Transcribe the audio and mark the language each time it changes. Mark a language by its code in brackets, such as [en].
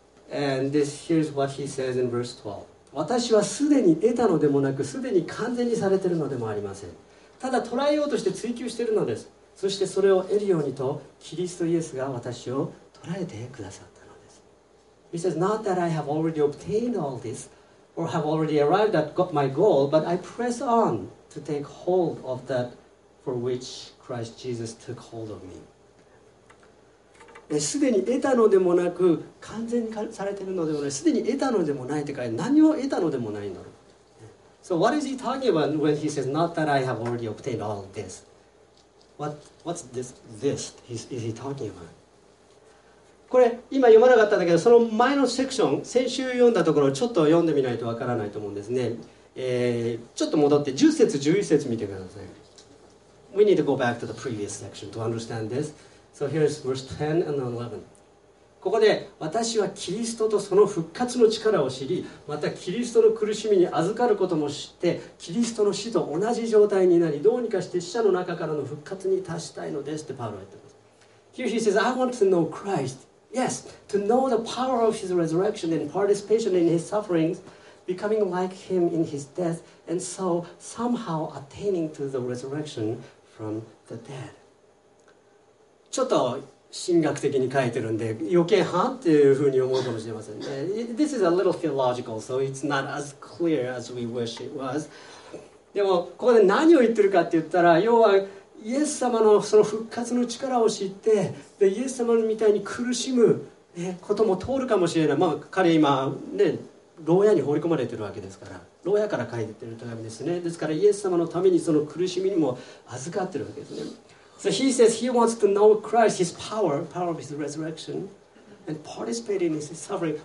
[en] And this, here's what he says in verse 12. [ja] 私はすでに得たのでもなく、すでに完全にされているのでもありません。ただ捉えようとして追求しているのです。そしてそれを得るようにと、キリストイエスが私を捉えてくださった。 [en] He says, not that I have already obtained all this or have already arrived at my goal, but I press on to take hold of that for which Christ Jesus took hold of me. [ja] すでに得たのでもなく、完全にされているのでもない。すでに得たのでもないって書いて、何を得たのでもないんだろう。 [en] So what is he talking about when he says, not that I have already obtained all this? What's this is he talking about? [ja] これ今読まなかったんだけど、その前のセクション、先週読んだところをちょっと読んでみないとわからないと思うんですね。ちょっと戻って10節11節見てください。 [en] We need to go back to the previous section to understand this. So here's verse 10 and 11. [ja] ここで、私はキリストとその復活の力を知り、またキリストの苦しみに預かることも知って、キリストの死と同じ状態になり、どうにかして死者の中からの復活に達したいのですってパウロは言ってます。 [en] Here he says, I want to know ChristYes, to know the power of his resurrection and participation in his sufferings, becoming like him in his death, and so somehow attaining to the resurrection from the dead. [ja] ちょっと神学的に書いてるんで、余計はっていうふうに思うかもしれませんね。 [en] This is a little theological, so it's not as clear as we wish it was. [ja] でもここで何を言ってるかって言ったら、要はイエス様のその復活の力を知って、でイエス様みたいに苦しむことも通るかもしれない。まあ彼今ね、牢屋に放り込まれてるわけですから、牢屋から書いてる手紙ですね。ですからイエス様のためにその苦しみにも預かってるわけですね。 [en] So he says he wants to know Christ, his power, power of his resurrection, and participate in his suffering.